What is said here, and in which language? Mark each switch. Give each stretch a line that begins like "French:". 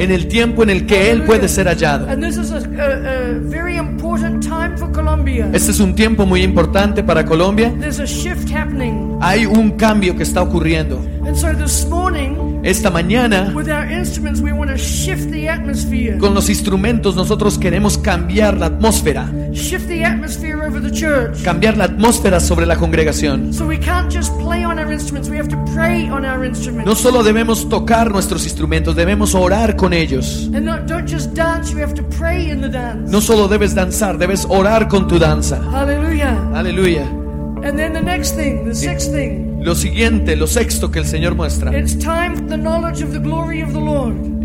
Spanish: En el tiempo en el que él puede ser hallado.
English: And this is a very important time for Colombia.
Spanish: Este es un tiempo muy importante para Colombia.
English: There's a shift happening.
Spanish: Hay un cambio que está ocurriendo.
English: And so this morning,
Spanish: esta mañana,
English: with our instruments, we want to shift the atmosphere.
Spanish: Con los instrumentos nosotros queremos cambiar la atmósfera.
English: Shift the atmosphere over the church.
Spanish: Cambiar la atmósfera sobre la congregación.
English: So we can't just play on our instruments, we have to pray on our instruments.
Spanish: No solo debemos tocar nuestros instrumentos, debemos orar con ellos.
English: And not, don't just dance, you have to pray in the dance.
Spanish: No solo debes danzar, debes orar con tu danza.
English: Hallelujah. Hallelujah. And then the next thing, the sixth thing.
Spanish: Lo siguiente, lo sexto que el Señor muestra.
English: It's time for the knowledge of the glory of the Lord.